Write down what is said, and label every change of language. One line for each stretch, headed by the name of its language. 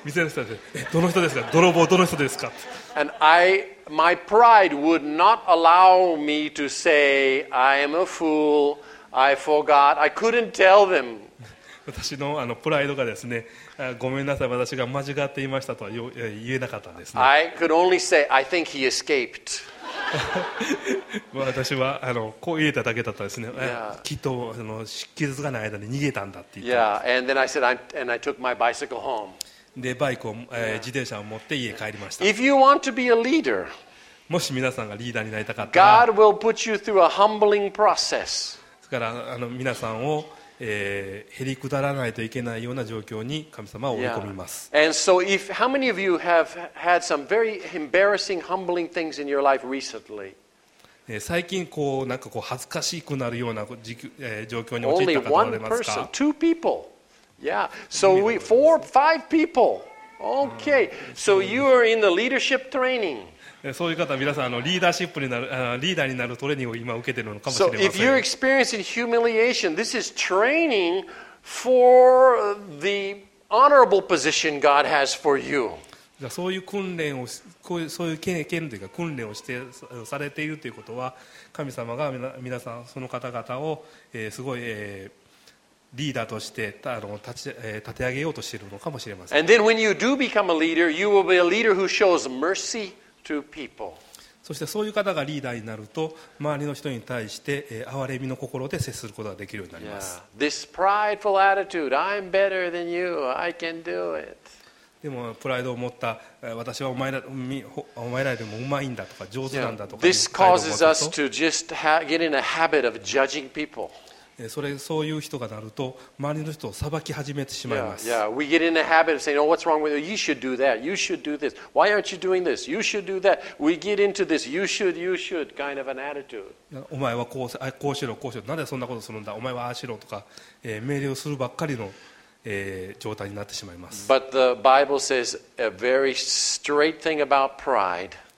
Japanese: 店の人たち、どの人ですか？泥棒どの人ですか？
English: And I, my pride would not allow me to say, I am a fool, I forgot, I couldn't tell them.
Japanese: 私の、あのプライドがですね、ごめんなさい、私が間違っていましたとは言えなかったんですね。
English: I could only say, I think he escaped.
Japanese: 私はあのこう言えただけだったですね、yeah. きっとあの気づかない間に逃げたんだって言って、
English: yeah. and then I said, and I took my bicycle home.
Japanese: でバイクを、yeah. 自転車を持って家帰りました。
English: If you want to be a leader,
Japanese: もし皆さんがリーダーになりたかったら
English: God will put you through a humbling process.
Japanese: だからあの皆さんを、へりくだらないといけないような状況に神様は追い込みます。 Yeah.
English: And so, if how many of you have had some very embarrassing, humbling things in your life recently?
Japanese: 最近こうなんかこう恥ずかしくなるような状況に陥った方がいますか？
English: Only one person, two people. Yeah. So we four, five people. Okay. So you are in the leadership training.
Japanese: そういう方は皆さんあのリーダーシップになるリーダーになるトレーニングを今受けているのかもしれません。
English: So if you're experiencing humiliation, this is training for the honorable position God has for you.
Japanese: じゃあそういう訓練をこういうそういう権というか訓練をしてされているということは神様が皆さんその方々を、すごい、リーダーとして立て上げようとしているのかもしれません。
English: And then when you do become a leader, you will be a leader who shows mercy.
Japanese: そしてそういう方がリーダーになると周りの人に対して憐れみの心で接することができるようになります。 Yeah.
English: This prideful attitude, I'm better than you, I can do it.
Japanese: でもプライドを持った私はお前らよりもうまいんだとか上手なんだとか、
English: This causes us to just get in a habit of judging people.
Japanese: そういう人がなると周りの人を裁き始めてしまいます。
English: yeah, yeah. We get in the habit of saying, oh, what's wrong with you? You should do that. You should do this. Why aren't you doing this? You should do that. We get into this you should kind of an attitude.
Japanese: お前はこうしろこうしろ、なぜそんなことするんだ、お前はああしろとか、命令をするばっかりの、状態になってしまいます。
English: But the Bible says a very straight thing about pride.